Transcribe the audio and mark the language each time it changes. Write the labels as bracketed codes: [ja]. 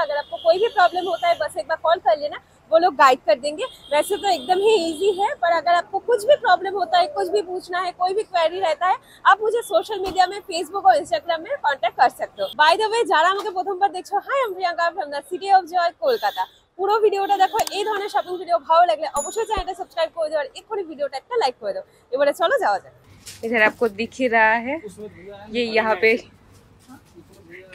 [hi] अगर आपको कोई भी प्रॉब्लम होता है बस एक बार कॉल कर लेना, वो लोग गाइड कर देंगे। वैसे तो एकदम ही इजी है, पर अगर आपको कुछ भी प्रॉब्लम होता है, कुछ भी पूछना है, कोई भी क्वेरी रहता है, आप मुझे सोशल मीडिया में फेसबुक और इंस्टाग्राम में कॉन्टेक्ट कर सकते हो। बाय द वे, जरा आपके प्रथम पर देखो, [en] Hi I am Priyanka from the city of joy Kolkata. [bn] পুরো ভিডিওটা দেখো, এই ধরনের শপিং ভিডিও ভালো লাগলে অবশ্যই চ্যানেলটা সাবস্ক্রাইব করে দাও, আর এখনই ভিডিওটা একটা লাইক করে দাও। এবারে চলো যাওয়া যাক। [hi] इधर आपको दिख ही रहा है ये, यहां पे कैसे